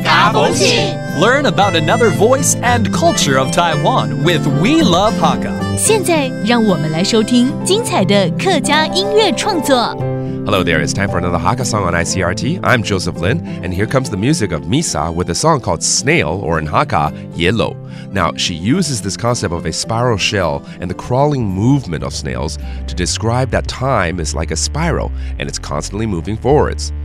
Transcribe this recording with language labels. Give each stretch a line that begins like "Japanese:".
English: Learn about another voice and culture of Taiwan with We Love Hakka.
Chinese: 现在让我们来收听精彩的客家音乐创作。
English: Hello there, it's time for another Hakka song on ICRT. I'm Joseph Lin, and here comes the music of Misa with a song called Snail, or in Hakka, Yellow. Now, she uses this concept of a spiral shell and the crawling movement of snails to describe that time is like a spiral and it's constantly moving forwards.